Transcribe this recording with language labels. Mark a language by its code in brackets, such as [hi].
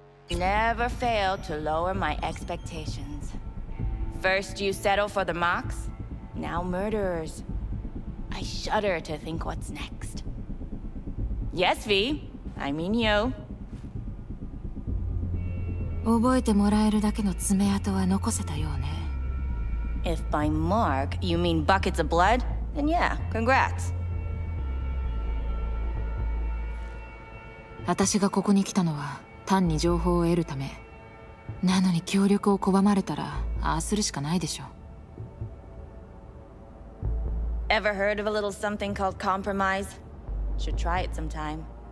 [en] Never fail to lower my expectations. First you settle for the Mox, now murderers. I shudder to think what's next. Yes, V. I mean you. [ja] 覚えてもらえるだけの爪痕は残せたようね。 [en] If by mark you mean buckets of blood, then yeah, congrats. [ja] 私がここに来たのは単に情報を得るため。なのに協力を拒まれたら、ああするしかないでしょう。 [en] Ever heard of a little something called compromise? Should try it sometime.